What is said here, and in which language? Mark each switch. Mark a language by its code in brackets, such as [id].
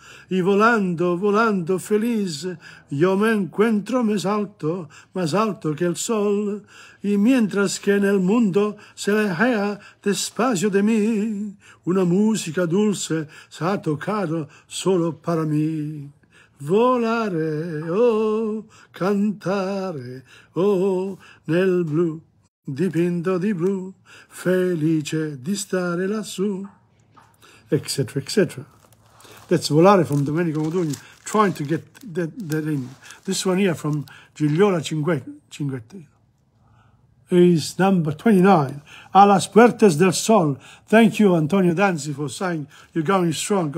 [es] Y volando, volando feliz, yo me encuentro más alto que el sol. Y mientras que en el mundo se alejea despacio de mí, una música dulce se ha tocado solo para mí. [it] Volare, oh, cantare, oh, nel blu, dipinto di blu, felice di stare lassù, etc., etc. [en] That's Volare from Domenico Modugno, trying to get that in. This one here from Giuliola Cinguetti. Is number 29. A las puertas del sol. Thank you, Antonio Danzi, for saying you're going strong.